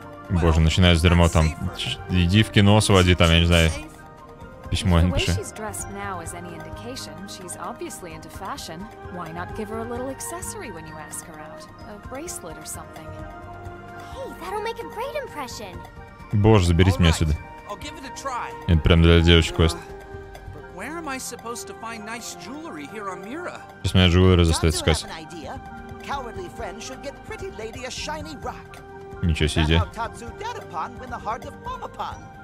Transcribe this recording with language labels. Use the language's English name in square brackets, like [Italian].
[Russian] Боже, начинает с дерьмо там. Иди в кино, своди там, я не знаю. Письмо напиши. [English] If the way she's dressed now is any indication, she's obviously into fashion. Why not give her a little accessory when you ask her out? A bracelet or something. Hey, that'll make a great impression. [Russian] Боже, заберите меня сюда. Это прям для девочек квест. [English] Where am I supposed to find nice jewelry here on Mira? [Russian] Сейчас меня джуэлеры заставят искать. [English] Tatsu has an idea. Cowardly friend should get Pretty Lady a shiny rock. [Russian] Ничего себе. [English] That'll help Tatsu dead upon win the heart of Momopon.